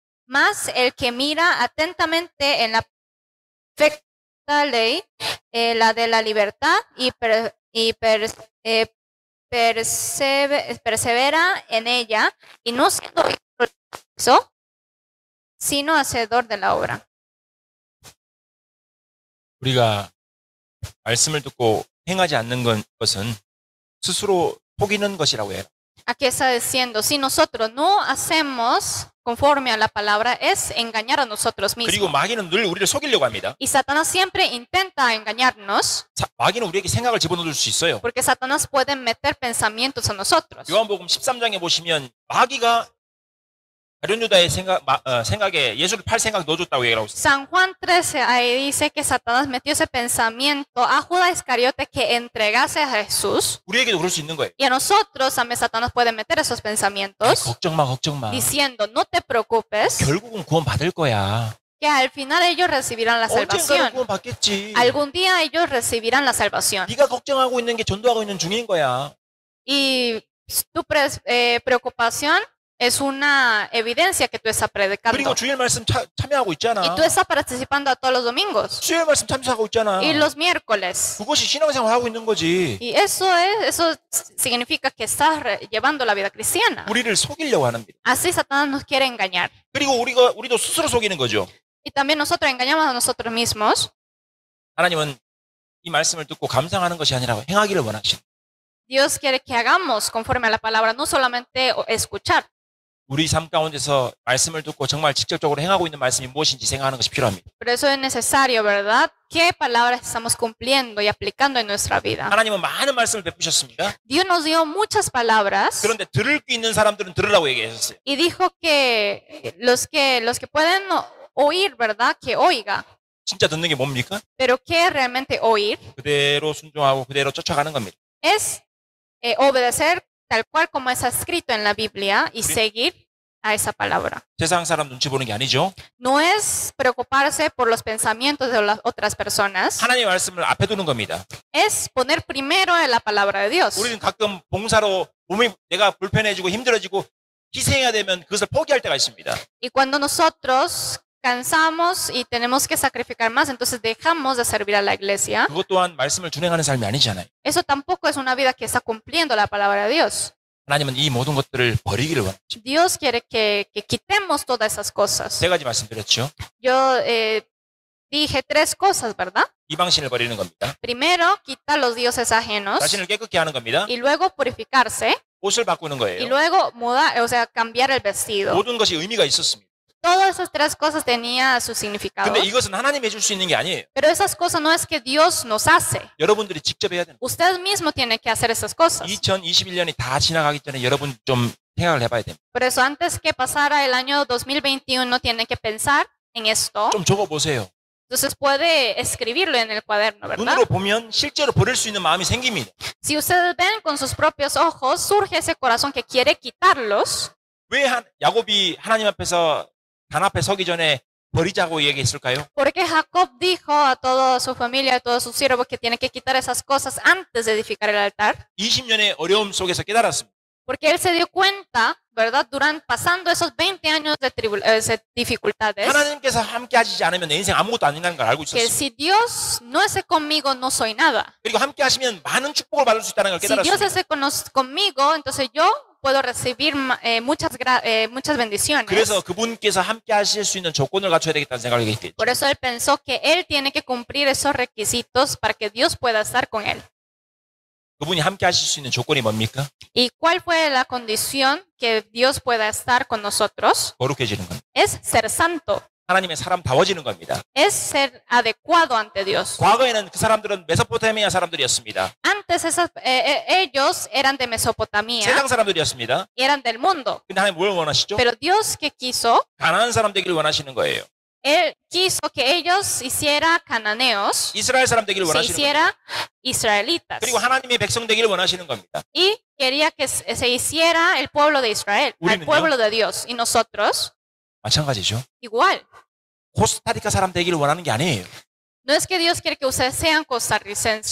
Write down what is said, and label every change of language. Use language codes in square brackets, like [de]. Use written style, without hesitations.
[es] Mas el que mira atentamente en la perfecta ley, la de la libertad, persevera en ella, y no siendo eso, sino hacedor de la obra. [ko] 우리가 말씀을 듣고 행하지 않는 것은 스스로 속이는 것이라고 해요. [es] Aquí está diciendo, si nosotros no hacemos conforme a la palabra, es engañar a nosotros mismos. [ko] 그리고 마귀는 늘 우리를 속이려고 합니다. [es] Y Satanás siempre intenta engañarnos. [ko] 마귀는 우리에게 생각을 집어넣을 수 있어요. [es] Porque Satanás puede meter pensamientos a nosotros. [ko] 요한복음 13장에 보시면 마귀가 가룟유다의 생각에 예수를 팔 생각 넣어줬다고 얘기하고 있어요. [es] San Juan 13 ahí dice que Satanás metió ese pensamiento a Judas Iscariote que entregase a Jesús. [ko] 우리에게도 그럴 수 있는 거예요. [es] Y a nosotros también Satanás puede meter esos pensamientos. [ko] 걱정 마. [es] Diciendo, no te preocupes. [ko] 결국은 구원 받을 거야. [es] Que al final ellos recibirán la salvación. [ko] 언젠가는 구원 받겠지. [es] Algún día ellos recibirán la salvación. [ko] 네가 걱정하고 있는 게 전도하고 있는 중인 거야. [es] Y tu preocupación es una evidencia que tú estás predicando. [ko] 그리고 주일 말씀 참여하고 있잖아. [es] Y tú estás participando a todos los domingos. [ko] 주일 말씀 참석하고 있잖아. [es] Y los miércoles. [ko] 그것이 신앙생활 하고 있는 거지. [es] Y eso significa que estás llevando la vida cristiana. [ko] 우리를 속이려고 하는 일. [es] Así Satanás nos quiere engañar. [ko] 그리고 우리도 스스로 속이는 거죠. [es] Y también nosotros engañamos a nosotros mismos. [ko] 하나님은 이 말씀을 듣고 감상하는 것이 아니라 행하기를 원하시는. [es] Dios quiere que hagamos conforme a la palabra, no solamente escuchar. [ko] 우리 삶 가운데서 말씀을 듣고 정말 직접적으로 행하고 있는 말씀이 무엇인지 생각하는 것이 필요합니다. [es] Por eso es necesario, ¿verdad? ¿Qué palabras estamos cumpliendo y aplicando en nuestra vida? [ko] 하나님은 많은 말씀을 베푸셨습니다. [es] Dios nos dio muchas palabras. [ko] 그런데 들을 귀 있는 사람들은 들으라고 얘기하셨어요. [es] Y dijo que los que pueden oír, ¿verdad? Que oiga. [ko] 진짜 듣는 게 뭡니까? [es] Pero qué realmente oír? [ko] 그대로 순종하고 그대로 쫓아가는 겁니다. [es] Es obedecer tal cual como está escrito en la Biblia y seguir a esa palabra. [ko] 세상 사람 눈치 보는 게 아니죠. [es] No es preocuparse por los pensamientos de las otras personas. [ko] 하나님 말씀을 앞에 두는 겁니다. [es] Es poner primero la palabra de Dios. [ko] 우리는 가끔 봉사로 몸이 내가 불편해지고 힘들어지고 희생해야 되면 그것을 포기할 때가 있습니다. [es] Y cuando nosotros cansamos y tenemos que sacrificar más, entonces dejamos de servir a la iglesia. [ko] 그것 또한 말씀을 준행하는 삶이 아니잖아요. [es] Eso tampoco es una vida que está cumpliendo la palabra de Dios. [ko] 하나님은 이 모든 것들을 버리기를 원하십니다. [es] Dios quiere que quitemos todas esas cosas. [ko] 세 가지 말씀드렸죠. [es] Yo dije tres cosas, ¿verdad? [ko] 이방신을 버리는 겁니다. [es] Primero, quita los dioses ajenos. [ko] 자신을 깨끗게 하는 겁니다. [es] Y luego purificarse. [ko] 옷을 바꾸는 거예요. [es] Y luego cambiar el vestido. [ko] 모든 것이 의미가 있었습니다. [es] Todas esas tres cosas tenía su significado. [ko] 근데 이것은 하나님이 해줄 수 있는 게 아니에요. [es] Pero esas cosas no es que Dios nos hace. [ko] 여러분들이 직접 해야 됩니다. [es] Usted mismo tiene que hacer esas cosas. [ko] 2021년이 다 지나가기 전에 여러분 좀 생각을 해봐야 됩니다. [es] Por eso antes que pasara el año 2021 tiene que pensar en esto. [ko] 좀 적어보세요. [es] Entonces puede escribirlo en el cuaderno, ¿verdad? [ko] 눈으로 보면 실제로 버릴 수 있는 마음이 생깁니다. [es] Si ustedes ven con sus propios ojos surge ese corazón que quiere quitarlos. [ko] 왜 야곱이 하나님 앞에서 단 앞에 서기 전에 버리자고 얘기했을까요? [es] Porque Jacob dijo a toda su familia, a todos sus siervos que tiene que quitar esas cosas antes de edificar el altar. [ko] 20년의 어려움 속에서 깨달았습니다. [es] Porque él se dio cuenta, ¿verdad? Durante pasando esos 20 años de dificultades. [ko] 하나님께서 함께 하시지 않으면 내 인생 아무것도 아니라는 걸 알고 있었어요. [es] Que si Dios no es conmigo no soy nada. [ko] 그리고 함께 하시면 많은 축복을 받을 수 있다는 걸 깨달았습니다. [es] Si Dios es conmigo, entonces yo puedo recibir muchas muchas bendiciones. [ko] 그래서 그분께서 함께 하실 수 있는 조건을 갖춰야 되겠다는 생각을 했죠. [es] Por eso él pensó que él tiene que cumplir esos requisitos para que Dios pueda estar con él. [ko] 그분이 함께 하실 수 있는 조건이 뭡니까? [es] ¿Y cuál fue la condición que Dios pueda estar con nosotros? [ko] 거룩해지는 겁니다. [es] Es ser santo. [ko] 하나님의 사람다워지는 겁니다. [es] Es ser adecuado ante Dios. [ko] 과거에는 그 사람들은 메소포타미아 사람들이었습니다. [es] Antes esos ellos eran de Mesopotamia. [ko] 세상 사람들이었습니다. [es] Eran del mundo. [ko] 근데 하나님 뭘 원하시죠? [es] Pero Dios que quiso. [ko] 가나안 사람 되기를 원하시는 거예요. [es] Él quiso que ellos hiciera cananeos. [ko] 이스라엘 사람 되기를 원하시는 거예요. [es] Se hiciera israelitas. [ko] 그리고 하나님의 백성 되기를 원하시는 겁니다. [es] Y quería que se hiciera el pueblo de Israel, el pueblo de Dios. Y nosotros. [ko] 마찬가지죠. [es] Igual. [ko] 코스타리카 사람 되기를 원하는 게 아니에요. [es] No es que Dios quiere que ustedes sean costarricenses.